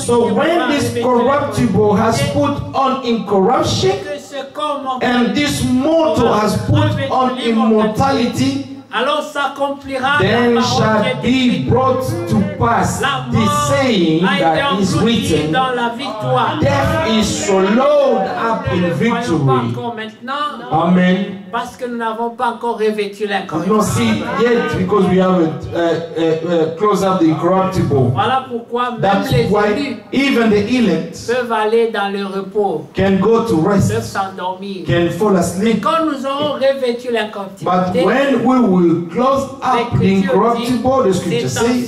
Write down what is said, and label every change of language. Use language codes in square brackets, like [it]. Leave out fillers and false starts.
[en] so when this corruptible has put on incorruption and this mortal has put on immortality, [fr] alors s'accomplira [en] then shall be brought to pass the saying that is written, death is swallowed up in victory. Amen. [fr] Parce que nous n'avons pas encore revêtu l'incorruptible. [en] Not seen yet because we haven't closed up the incorruptible. [fr] Voilà pourquoi même [en] that's [fr] les [en] why even the elect [fr] peuvent aller dans le repos. [en] Can go to rest. [fr] Peuvent s'endormir. [en] Can fall asleep. [fr] Mais quand nous aurons revêtu l'incorruptible. [en] But when we will close up the incorruptible, the scripture says,